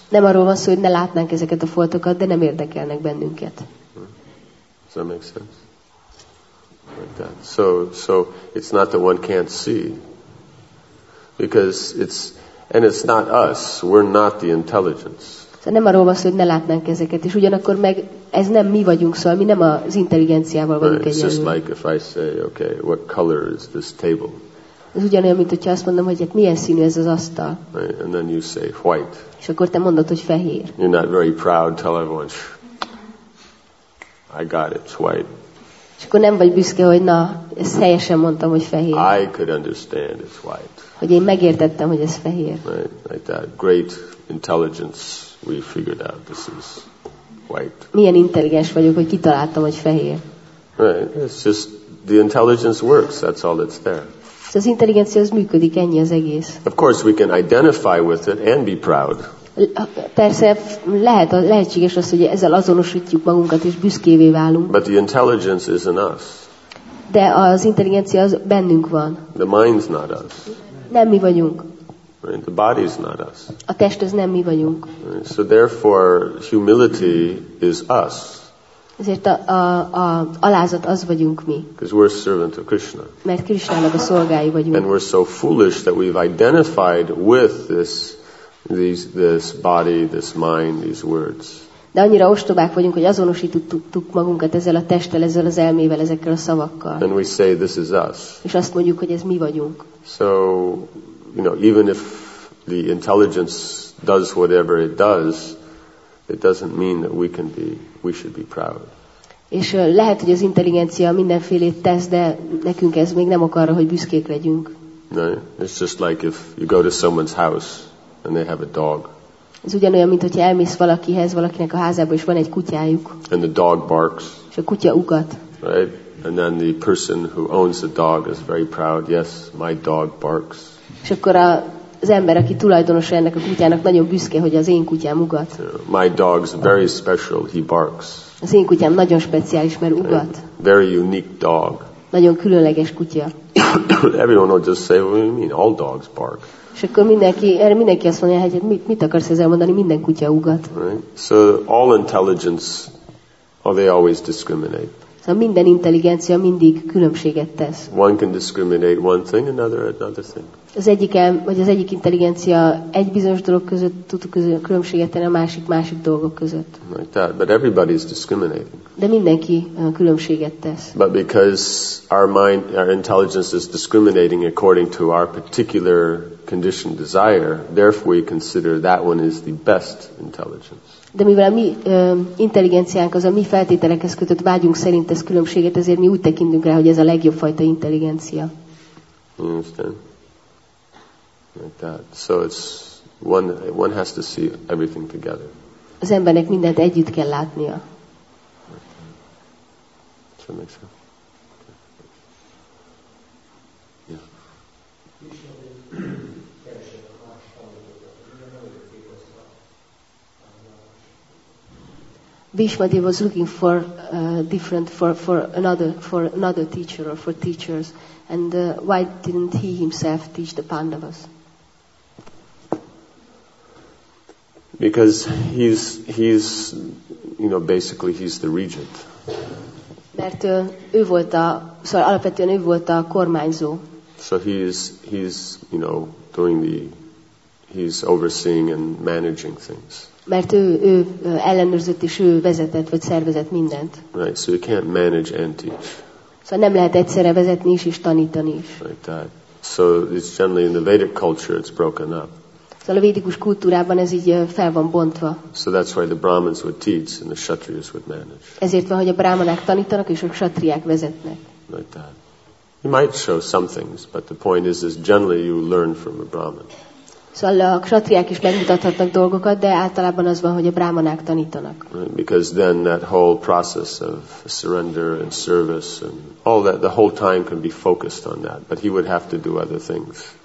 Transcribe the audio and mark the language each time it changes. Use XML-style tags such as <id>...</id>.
<hu>Nem arról van szó, hogy ne látnánk ezeket a foltokat, de nem érdekelnek bennünket.</hu> <en>Does that make sense? Like that. So it's not that one can't see. Because it's, and it's not us, we're not the intelligence.</en> <hu>Nem arról van szó, hogy ne látnánk ezeket, és ugyanakkor meg ez nem mi vagyunk, szóval mi nem az intelligenciával vagyunk egyenlő.</hu> <en>It's just like if I say, okay, what color is this table?</en> <hu>Ez ugyanolyan, mint hogyha azt mondom, hogy hát milyen színű ez az asztal.</hu> <en>Right, and then you say, white.</en> <hu>És akkor te mondod, hogy fehér.</hu> <en>You're not very proud, tell everyone, I got it, white.</en> <hu>És akkor nem vagy büszke, hogy na, ezt helyesen mondtam, hogy fehér.</hu> <en>I could understand it's white.</en> <hu>Hogy én megértettem, hogy ez fehér.</hu> <en>Right, like that, great intelligence. We figured out this is white.</en> <hu>Milyen intelligens vagyok, hogy kitaláltam, hogy fehér.</hu> <en>Right, it's just the intelligence works. That's all that's there.</en> <hu>Szóval az intelligencia az működik, ennyi az egész.</hu> <en>Of course, we can identify with it and be proud.</en> <hu>Persze lehet, lehetséges az, hogy ezzel azonosítjuk magunkat és büszkévé válunk.</hu> <en>But the intelligence is in us.</en> <hu>De az intelligencia az bennünk van.</hu> <en>The mind's not us.</en> <hu>Nem mi vagyunk.</hu> <en>Right? The body is not us.</en> <hu>A test az nem mi vagyunk.</hu> <en>Right? So therefore, humility is us.</en> <hu>Ezért a alázat az vagyunk mi.</hu> <en>Because we're servant of Krishna.</en> <hu>Mert Krishnának a szolgái vagyunk.</hu> <en>And we're so foolish that we've identified with this body, this mind, these words.</en> <hu>De annyira ostobák vagyunk, hogy azonosítottuk magunkat ezzel a testtel, ezzel az elmével, ezekkel a szavakkal.</hu> <en>And we say this is us.</en> <hu>És azt mondjuk, hogy ez mi vagyunk.</hu> <en>So, you know, even if the intelligence does whatever it does, it doesn't mean that we should be proud.</en> <hu>És lehet, hogy az intelligencia mindenfélét tesz, de nekünk ez még nem ok arra, hogy büszkék legyünk.</hu> <en>No, it's just like if you go to someone's house and they have a dog.</en> <hu>Ez ugyanolyan, mint hogyha elmész valakihez, valakinek a házába, és van egy kutyájuk.</hu> <en>And the dog barks.</en> <hu>És a kutya ugat.</hu> <en>Right? And then the person who owns the dog is very proud. Yes, my dog barks.</en> <hu>És akkor az ember, aki tulajdonosa ennek a kutyának, nagyon büszke, hogy az én kutyám ugat.</hu> <en>My dog's very special, he barks.</en> <hu>Az én kutyám nagyon speciális, mert ugat.</hu> <en>Very unique dog.</en> <hu>Nagyon különleges kutya.</hu> <en>Everyone will just say, what do you mean? All dogs bark.</en> <hu>És akkor mindenki azt mondja, hogy mit akarsz ezzel mondani, minden kutya ugat.</hu> <en>Right? So all intelligence, oh, they always discriminate.</en> <hu>A minden intelligencia mindig különbséget tesz.</hu> <en>One can discriminate one thing, another thing.</en> <hu>Az egyik vagy az egyik intelligencia egy bizonyos dolog között tud különbséget tenni a másik dolgok között.</hu> <en>Like that. But everybody is discriminating.</en> <hu>De mindenki különbséget tesz.</hu> <en>But because our mind, our intelligence is discriminating according to our particular conditioned desire, therefore we consider that one is the best intelligence.</en> <hu>De mivel a mi intelligenciánk az a mi feltételekhez kötött vágyunk szerint tesz különbséget, ezért mi úgy tekintünk rá, hogy ez a legjobb fajta intelligencia.</hu> <en>Like that. So it's one has to see everything together.</en> <hu>Az embernek mindent együtt kell látnia.</hu> <en>Bhishmadev was looking for different for another teacher or for teachers, and why didn't he himself teach the Pandavas? Because he's you know, basically he's the regent.</en> <hu>Mert ő volt a, szóval alapvetően ő volt a kormányzó.</hu> <en>So he's you know, doing the, he's overseeing and managing things.</en> <hu>Mert ő ellenőrzött és ő vezetett vagy szervezett mindent.</hu> <en>Right, so you can't manage and teach.</en> <hu>Szóval nem lehet egyszerre vezetni és tanítani is.</hu> <en>Like that. So it's generally in the Vedic culture it's broken up.</en> <hu>Szóval a védikus kultúrában ez így fel van bontva.</hu> <en>So that's why the Brahmins would teach and the Kshatriyas would manage.</en> <hu>Ezért van, hogy a brahmanák tanítanak és a kshatriák vezetnek.</hu> <en>Like that. He might show some things, but the point is generally you learn from a Brahmin.</en> <hu>Szóval a kshatriák is megmutathatnak dolgokat, de általában az van, hogy a brahmanák tanítanak.</hu> <en>Right, because then that whole process of surrender and service and all that, the whole time can be focused on that. But he would have to do other things.</en>